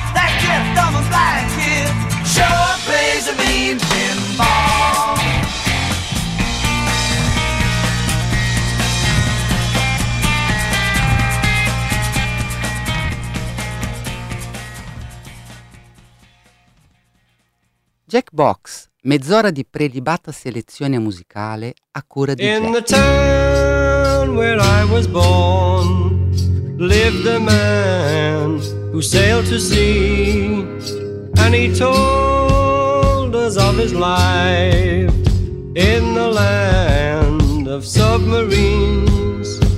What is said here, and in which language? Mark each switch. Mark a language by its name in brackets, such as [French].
[English] That deaf, dumb, and blind kid sure plays a mean pinball. Jack Box. [Italian] Mezz'ora di prelibata selezione musicale a cura di Jack. [English] In the town where I was born lived a man who sailed to sea, and he told us of his life in the land of submarines.